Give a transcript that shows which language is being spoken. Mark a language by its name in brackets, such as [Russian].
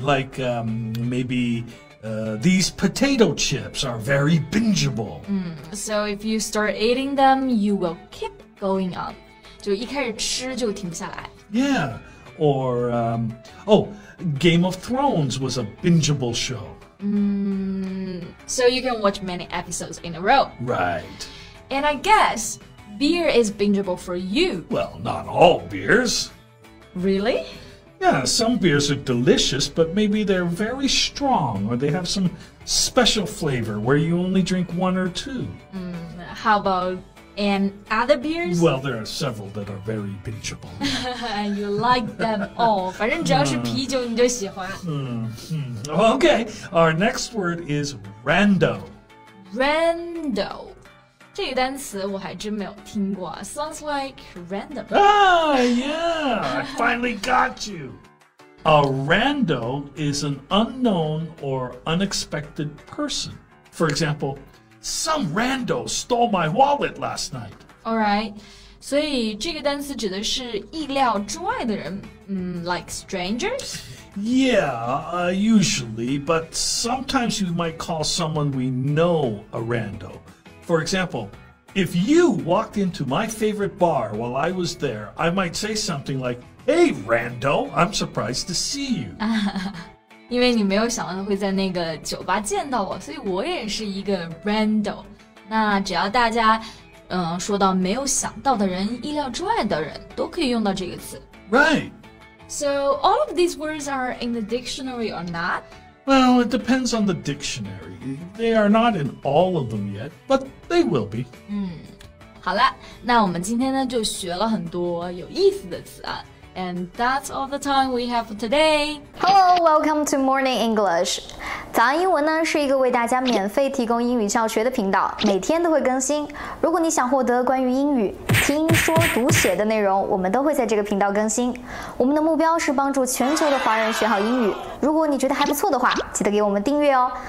[English] Like, maybe, these potato chips are very bingeable. So, if you start eating them, you will keep going on. [Chinese] 就一开始吃就停不下来。 [English] Yeah. Or, Game of Thrones was a bingeable show. So you can watch many episodes in a row. Right. And I guess beer is bingeable for you. Well, not all beers. Really? Yeah, some beers are delicious, but maybe they're very strong or they have some special flavor where you only drink one or two. How aboutAnd other beers? Well, there are several that are very bingeable. You like them all. [Chinese] 反正只要是啤酒你就喜欢。 [English] Okay, our next word is rando. Rando. [Chinese] 这个单词我还真没有听过。 [English] Sounds like random. I finally got you. A rando is an unknown or unexpected person. For example,Some rando stole my wallet last night. [Chinese] Alright, 所以这个单词指的是意料之外的人、 [English] like strangers? Yeah, usually, but sometimes we might call someone we know a rando. For example, if you walked into my favorite bar while I was there, I might say something like, Hey, rando, I'm surprised to see you. [Chinese] 因为你没有想到会在那个酒吧见到我，所以我也是一个 rando。那只要大家，说到没有想到的人、意料之外的人，都可以用到这个词。 [English] Right. So all of these words are in the dictionary or not? Well, it depends on the dictionary. They are not in all of them yet, but they will be. [Chinese] 好了，那我们今天呢就学了很多有意思的词啊。 [English] And that's all the time we have for today. Hello, welcome to Morning English. [Chinese] 早安英文呢是一个为大家免费提供英语教学的频道，每天都会更新。如果你想获得关于英语听说读写的内容，我们都会在这个频道更新。我们的目标是帮助全球的华人学好英语。如果你觉得还不错的话，记得给我们订阅哦。